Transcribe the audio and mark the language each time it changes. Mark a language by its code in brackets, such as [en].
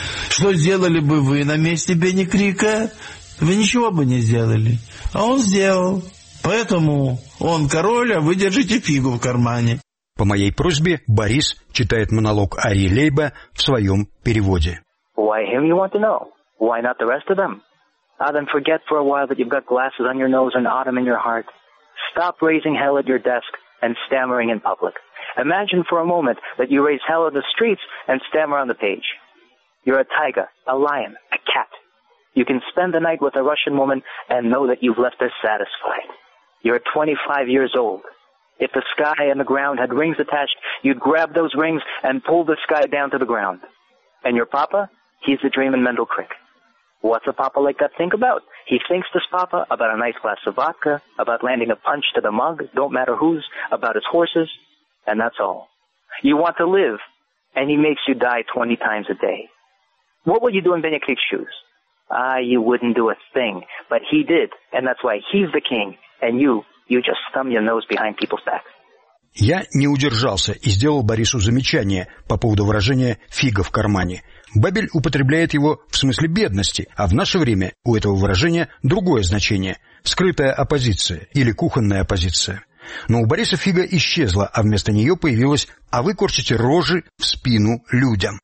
[ru] Что сделали бы вы на месте Бенни Крика? Вы ничего бы не сделали. А он сделал. Поэтому он король, а вы держите фигу в кармане. По моей просьбе Борис читает монолог Ари Лейба в своем переводе. [en] Why him you want to know? Why not the rest of them? Ah, then forget for a while that you've got glasses on your nose and autumn in your heart. Stop raising hell at your desk and stammering in public. Imagine for a moment that you raise hell in the streets and stammer on the page. You're a tiger, a lion, a cat. You can spend the night with a Russian woman and know that you've left her satisfied. You're 25 years old. If the sky and the ground had rings attached, you'd grab those rings and pull the sky down to the ground. And your papa, he's the dream in Mendel Creek. What's a papa like that think about? He thinks, this papa, about a nice glass of vodka, about landing a punch to the mug, don't matter whose, about his horses, and that's all. You want to live, and he makes you die 20 times a day. What would you do in Bene Creek's shoes? Ah, you wouldn't do a thing, but he did, and that's why he's the king, and you just thumb your nose behind people's backs. [ru] Я не удержался и сделал Борису замечание по поводу выражения «фига в кармане». Бабель употребляет его в смысле бедности, а в наше время у этого выражения другое значение – скрытая оппозиция или кухонная оппозиция. Но у Бориса фига исчезла, а вместо нее появилась «а вы корчите рожи в спину людям».